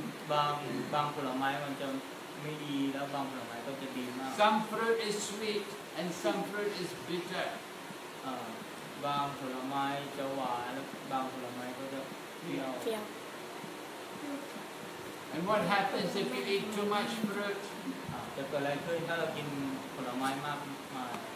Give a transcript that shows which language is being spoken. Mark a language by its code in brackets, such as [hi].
[th] บางผลไม้มันจะไม่ดีแล้วบางผลไม้ก็จะดีมาก [en] Some fruit is sweet and some fruit is bitter [th] บางผลไม้จะหวานแล้วบางผลไม้ก็จะเปรี้ยว [en] And what happens if you eat too much fruit [th] จะเกิดอะไรขึ้นถ้าเรากินผลไม้มากมา